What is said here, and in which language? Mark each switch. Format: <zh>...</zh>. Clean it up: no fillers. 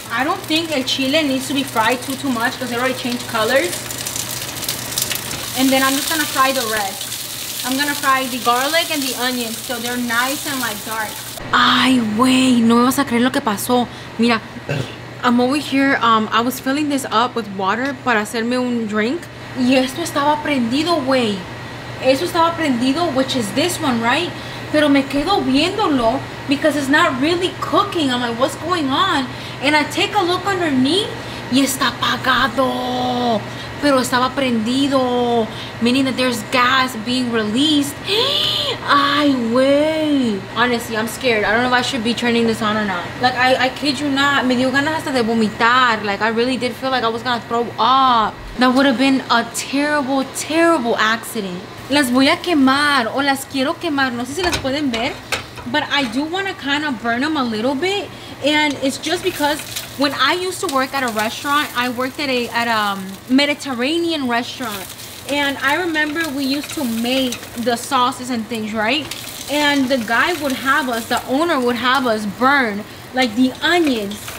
<en>I don't think</en> <es>el chile</es> <en>needs to be fried too much because it already changed colors. And then I'm just gonna fry the rest. I'm gonna fry the garlic and the onions so they're nice and like dark.</en> <es>Ay, wey, no me vas a creer lo que pasó.</es> <en>Mira, I'm over here. I was filling this up with water</en> <es>para hacerme un</es> <en>drink.</en> <es>Y esto estaba prendido, wey. Eso estaba prendido,</es> <en>which is this one, right?</en> <es>Pero me quedo viéndolo</es> <en>because it's not really cooking. I'm like, what's going on? And I take a look underneath</en> <es>y está apagado. Pero estaba prendido.</es> <en>Meaning that there's gas being released.</en> <es>Ay, wey.</es> <en>Honestly, I'm scared. I don't know if I should be turning this on or not. Like, I kid you not.</en> <es>Me dio ganas hasta de vomitar.</es> <en>Like, I really did feel like I was gonna throw up. That would have been a terrible, terrible accident.</en> <es>Las voy a quemar o las quiero quemar. No sé si las pueden ver.</es> <en>But I do want to kind of burn them a little bit. And it's just because when I used to work at a restaurant, I worked at a Mediterranean restaurant. And I remember we used to make the sauces and things, right? And the guy would have us, the owner would have us burn like the onions.</en>